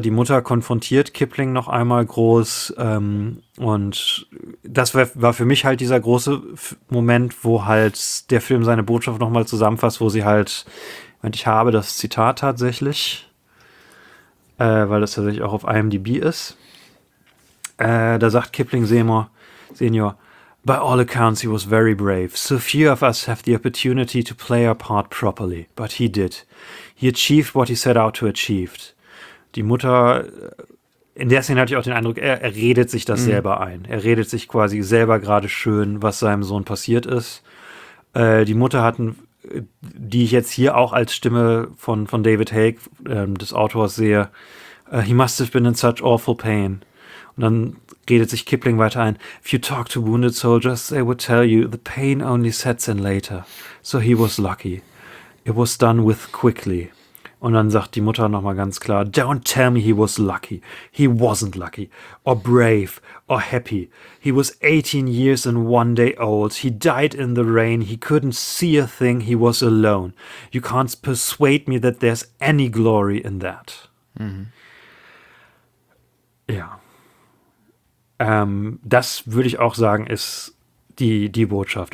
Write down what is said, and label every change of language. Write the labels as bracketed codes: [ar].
[de] Die Mutter konfrontiert Kipling noch einmal groß. Und das war für mich halt dieser große Moment, wo halt der Film seine Botschaft noch mal zusammenfasst, wo sie halt, ich habe das Zitat tatsächlich, weil das tatsächlich auch auf IMDb ist. [en] Da sagt Kipling Senior, "By all accounts, he was very brave. So few of us have the opportunity to play our part properly. But he did. He achieved what he set out to achieve." [de] Die Mutter, in der Szene hatte ich auch den Eindruck, er redet sich das selber ein. Er redet sich quasi selber gerade schön, was seinem Sohn passiert ist. Die Mutter die ich jetzt hier auch als Stimme von David Haig, des Autors, sehe, [en] "He must have been in such awful pain." [de] Und dann redet sich Kipling weiter ein, [en] "If you talk to wounded soldiers, they would tell you the pain only sets in later. So he was lucky. It was done with quickly." [de] Und dann sagt die Mutter nochmal ganz klar, [en] "Don't tell me he was lucky. He wasn't lucky. Or brave. Or happy. He was 18 years and one day old. He died in the rain. He couldn't see a thing. He was alone. You can't persuade me that there's any glory in that." Mhm. Ja. [de] Das würde ich auch sagen, ist die Botschaft.